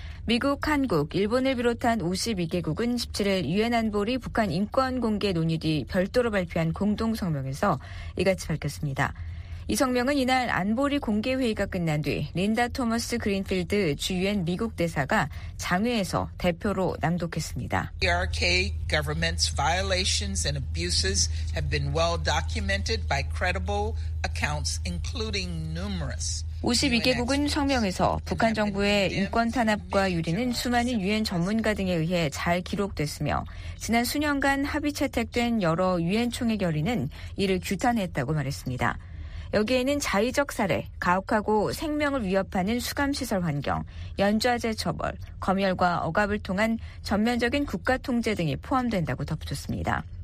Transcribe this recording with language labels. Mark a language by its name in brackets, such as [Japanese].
[Korean] 미국, 한국, 일본을 비롯한 52개국은 17일 유엔 안보리 북한 인권 공개 논의 뒤 별도로 발표한 공동 성명에서 이같이 밝혔습니다. 이 성명은 이날 안보리 공개회의가 끝난 뒤 린다 토머스 그린필드 주 유엔 미국 대사가 장외에서 대표로 낭독했습니다. [English] PRK government's violations and abuses have been well documented by credible accounts including numerous [Korean] 52개국은 성명에서 북한 정부의 인권 탄압과 유린은 수많은 유엔 전문가 등에 의해 잘 기록됐으며 지난 수년간 합의 채택된 여러 유엔 총회 결의는 이를 규탄했다고 말했습니다. 여기에는 자의적 살해, 가혹하고 생명을 위협하는 수감시설 환경, 연좌제 처벌, 검열과 억압을 통한 전면적인 국가 통제 등이 포함된다고 덧붙였습니다.